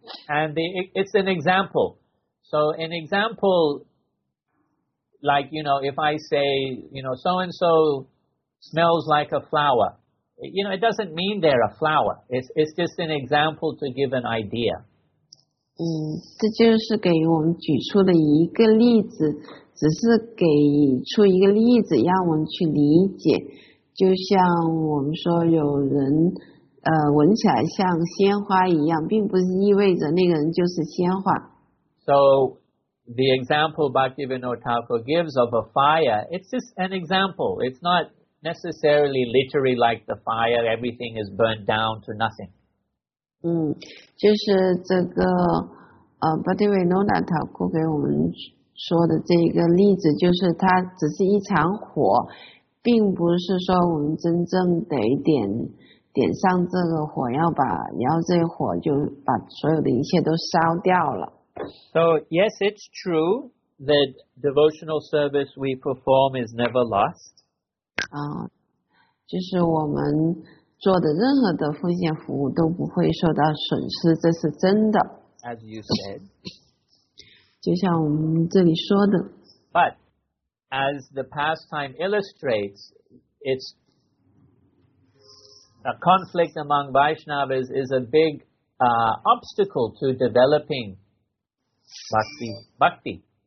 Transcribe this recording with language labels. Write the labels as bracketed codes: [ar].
[en] And it's an example. So an example, like, you know, if I say, you know, so-and-so,smells like a flower. You know, it doesn't mean they're a flower. It's just an example to give an idea. [zh] 这就是给我们举出的一个例子，只是给出一个例子让我们去理解。就像我们说有人闻起来像鲜花一样，并不是意味着那个人就是鲜花。 [en] So, the example Bhaktivinoda Thakur gives of a fire, it's just an example. It's notnecessarily literally like the fire, everything is burned down to nothing. [zh] 就是这个Bhaktivinoda Thakur 给我们说的这个例子，就是它只是一场火，并不是说我们真正得点上这个火，要这火就把所有的一切都烧掉了。 [en] So, yes, it's true that devotional service we perform is never lost. [zh] 就是我们做的任何的奉献服务都不会受到损失，这是真的。 [en] as you said. [zh] 就像我们这里说的。 [en] But as the pastime illustrates, it's a conflict among Vaishnavas is a big obstacle to developing bhakti.